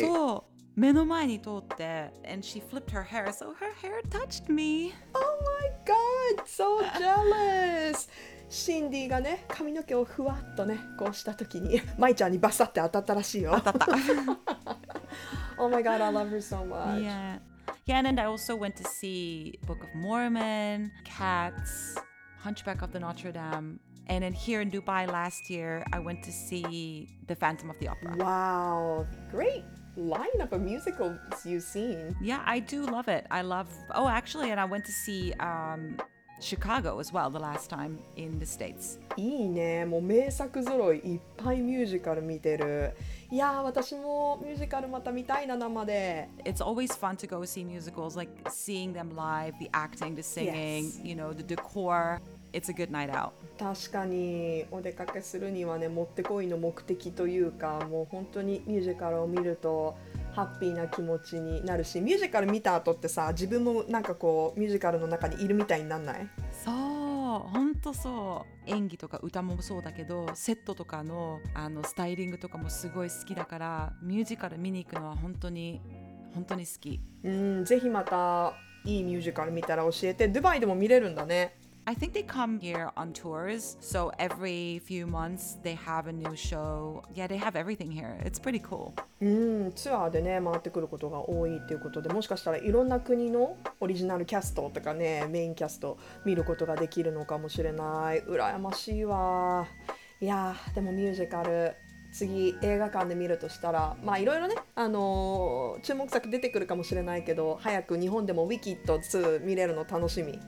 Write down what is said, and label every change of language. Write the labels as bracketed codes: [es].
[ja] そう。目の前に通って、 [en] and she flipped her hair, so her hair touched me. Oh my god, so jealous! [ja] シンディがね、髪の毛をふわっとね、こうした時に、マイちゃんにバサって当たったらしいよ。当たった。 [en] Oh my god, I love her so much. Yeah. Yeah, and I also went to see Book of Mormon, Cats, Hunchback of the Notre Dame. And then here in Dubai last year, I went to see The Phantom of the Opera. Wow, great lineup of musicals you've seen. Yeah, I do love it. I love... Oh, actually, and I went to see Chicago as well the last time in the States. [ja] いいね。もう名作ぞろい。いっぱいミュージカル見てる。いや、私もミュージカルまた見たいな、生で。 [en] It's always fun to go see musicals, like seeing them live, the acting, the singing,、yes. you know, the decor. It's a good night out. [ja] 確かにお出かけするにはね、もってこいの目的というか、もう本当にミュージカルを見るとハッピーな気持ちになるし、ミュージカル見た後ってさ、自分もなんかこうミュージカルの中にいるみたいになんない？そう、本当そう。演技とか歌もそうだけど、セットとかの、あのスタイリングとかもすごい好きだから、ミュージカル見に行くのは本当に本当に好き。うん、ぜひまたいいミュージカル見たら教えて。ドバイでも見れるんだね。 [en] I think they come here on tours, so every few months they have a new show. Yeah, they have everything here. It's pretty cool. [ja] ツアーでね、回ってくることが多いっていうことで、もしかしたらいろんな国のオリジナルキャストとかね、メインキャスト見ることができるのかもしれない。羨ましいわ。いやー、でもミュージカル、次映画館で見るとしたら、まあいろいろね、注目作出てくるかもしれないけど、早く日本でもウィキッド2見れるの楽しみ。